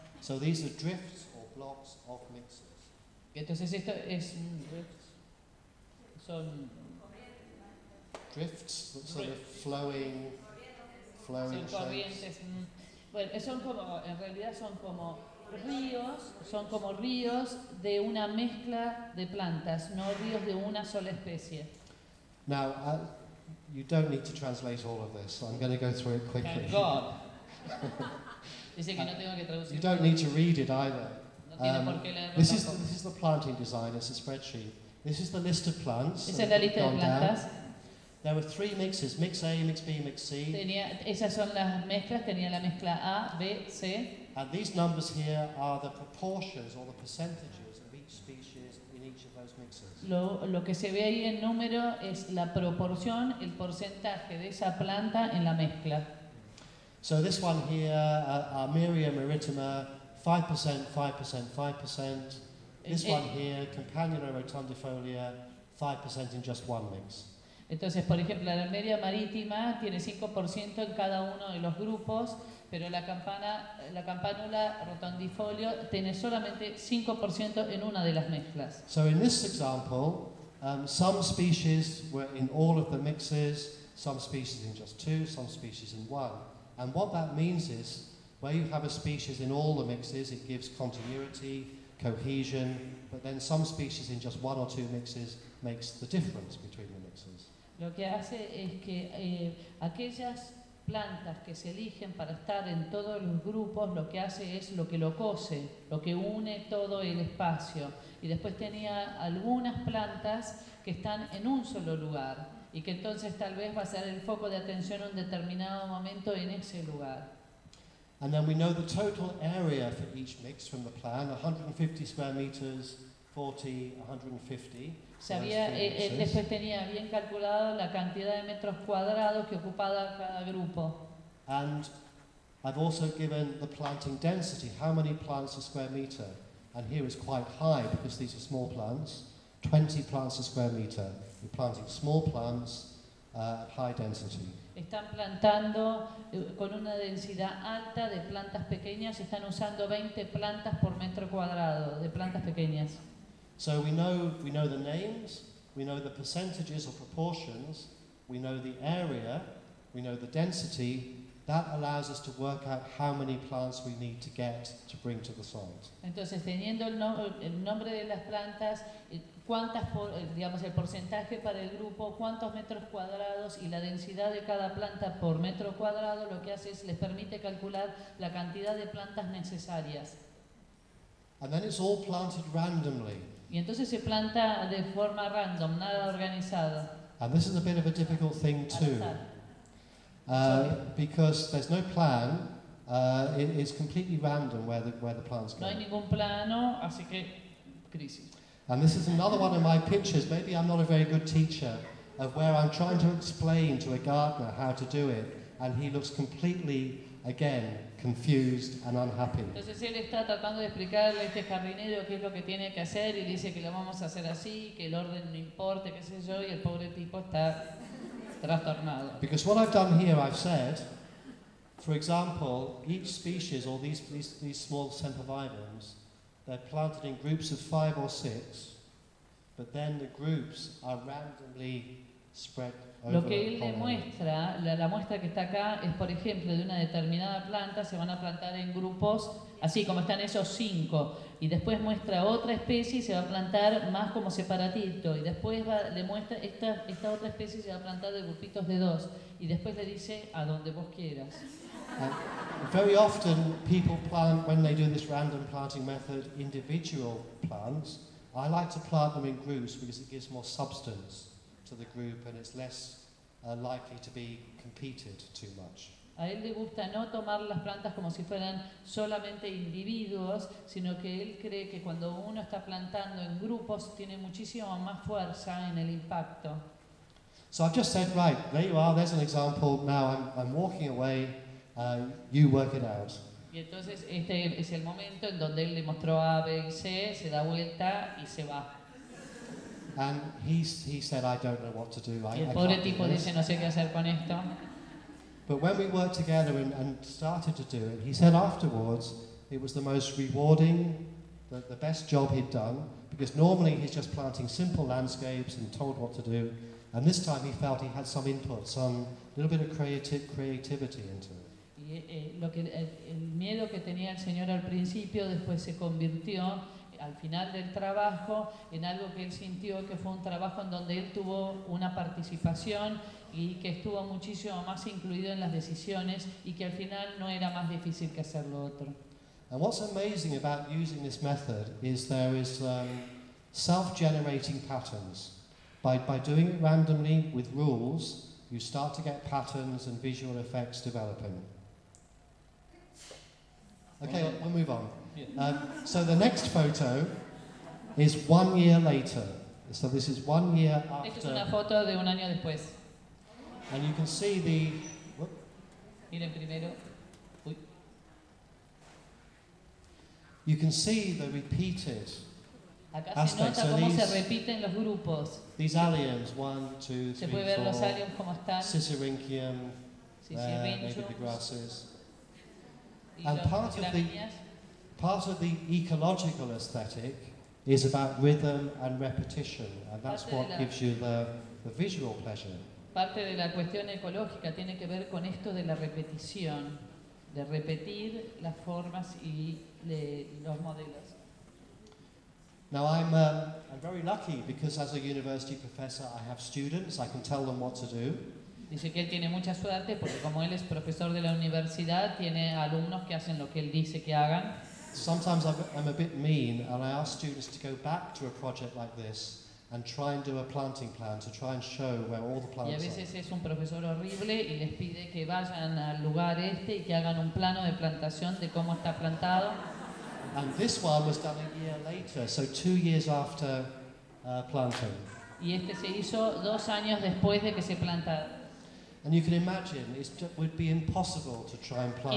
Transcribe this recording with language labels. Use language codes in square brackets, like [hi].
[en] So these are drifts or blocks of mixes. [es] Entonces esto es drifts. Son [en] drifts, sort of flowing shapes. [es] Bueno, son como, en realidad son como ríos de una mezcla de plantas, no ríos de una sola especie. [en] Now, you don't need to translate all of this, so I'm going to go through it quickly. Thank God. [es] Dice que no tengo que traducir. [en] You don't need to read it either. [es] No tiene por qué leerlo. [en] This is the planting design, it's a spreadsheet. This is the list of plants. [es] Esa es la lista de plantas. [en] There were three mixes, mix A, mix B, mix C. [es] Tenía, esas son las mezclas, tenía la mezcla A, B, C. [en] And these numbers here are the proportions or the percentages of each species in each of those mixes. [es] Lo que se ve ahí en número es la proporción, el porcentaje de esa planta en la mezcla. [en] So this one here, Armeria maritima, 5%, 5%, 5%. This one here, Campanula rotundifolia, 5% in just one mix. [es] Entonces, por ejemplo, la media marítima tiene 5% en cada uno de los grupos, pero la campanula rotundifolio tiene solamente 5% en una de las mezclas. [en] So in this example, some species were in all of the mixes, some species in just two, some species in one. And what that means is, where you have a species in all the mixes, it gives continuity, cohesion, but then some species in just one or two mixes makes the difference between the mixes. [es] Lo que hace es que aquellas plantas que se eligen para estar en todos los grupos, lo que hace es lo que lo cose, lo que une todo el espacio. Y después tenía algunas plantas que están en un solo lugar y que entonces tal vez va a ser el foco de atención en un determinado momento en ese lugar. [en] And then we know the total area for each mix from the plan, 150 square meters 40, 150. [es] Después tenía bien calculado la cantidad de metros cuadrados que ocupaba cada grupo. [en] And I've also given the planting density, how many plants a square meter. And here is quite high because these are small plants, 20 plants a square meter. You're planting small plants at high density. [es] Están plantando con una densidad alta de plantas pequeñas, están usando 20 plantas por metro cuadrado de plantas pequeñas. [en] So we know the names, we know the percentages or proportions, we know the area, we know the density. That allows us to work out how many plants we need to get to bring to the site. [es] Entonces, teniendo el nombre de las plantas, cuántas, digamos, el porcentaje para el grupo, cuántos metros cuadrados y la densidad de cada planta por metro cuadrado, lo que hace es les permite calcular la cantidad de plantas necesarias. [en] And then it's all planted randomly. [es] Y entonces se planta de forma random, nada organizado. [en] And this is a bit of a difficult thing too. Because there's no plan, it's completely random where the plants go. [es] No hay ningún plano, así que crisis. [en] And this is another one of my pictures. Maybe I'm not a very good teacher, of where I'm trying to explain to a gardener how to do it, and he looks completely, again, confused and unhappy. [es] Entonces él está tratando de explicarle a este jardinero qué es lo que tiene que hacer y dice que lo vamos a hacer así, que el orden no importa, qué sé yo, y el pobre tipo está trastornado. [en] Because what I've done here, I've said, for example, each species or these small sempervivums, they're planted in groups of 5 or 6, but then the groups are randomly spread over. [es] Lo que él le muestra, la muestra que está acá, es por ejemplo de una determinada planta, se van a plantar en grupos, así como están esos 5, y después muestra otra especie y se va a plantar más como separatito, y después le muestra esta otra especie se va a plantar de grupitos de 2, y después le dice a donde vos quieras. [en] Very often people plant, when they do this random planting method, individual plants. I like to plant them in groups because it gives more substance to the group and it's less likely to be competed too much. [es] A él le gusta no tomar las plantas como si fueran solamente individuos, sino que él cree que cuando uno está plantando en grupos tiene muchísimo más fuerza en el impacto. [en] So I've just said, right, there you are, there's an example, now I'm walking away. You work it out. [es] Y entonces este es el momento en donde él le mostró A, B y C, se da vuelta y se va. [en] And he said, I don't know what to do. [es] Y el pobre tipo dice, no sé qué hacer con esto. [en] But when we worked together and started to do it, he said afterwards it was the most rewarding, the best job he'd done, because normally he's just planting simple landscapes and told what to do, and this time he felt he had some input, some little bit of creativity into it. [es] El miedo que tenía el señor al principio después se convirtió al final del trabajo en algo que él sintió que fue un trabajo en donde él tuvo una participación y que estuvo muchísimo más incluido en las decisiones y que al final no era más difícil que hacer lo otro. [en] And what's amazing about using this method is there is self-generating patterns. By doing it randomly with rules, you start to get patterns and visual effects developing. Okay, we'll move on. So the next photo is 1 year later. So this is 1 year after. [es] Esta es una foto de un año después. [en] And you can see the. [es] Miren primero. Uy. [en] You can see the repeated. [es] Acá se nota cómo se repiten los grupos. [en] These alliums, 1, 2, 3, 4. [es] Se puede ver los alliums cómo están. [en] Sisyrinchium. Maybe the grasses. And part of the ecological aesthetic is about rhythm and repetition, and that's what gives you the visual pleasure. [es] Parte de la cuestión ecológica tiene que ver con esto de la repetición, de repetir las formas y los modelos. [en] Now I'm very lucky because as a university professor I have students, I can tell them what to do. [es] Dice que él tiene mucha suerte porque como él es profesor de la universidad tiene alumnos que hacen lo que él dice que hagan. [en] Sometimes I'm a bit mean and I ask students to go back to a project like this and try and do a planting plan to try and show where all the plants are. [es] Y a veces es un profesor horrible y les pide que vayan al lugar este y que hagan un plano de plantación de cómo está plantado. [en] And this one was done a year later, so 2 years after planting. [es] Y este se hizo 2 años después de que se plantara. [en] And you can imagine it would be impossible to try and plant.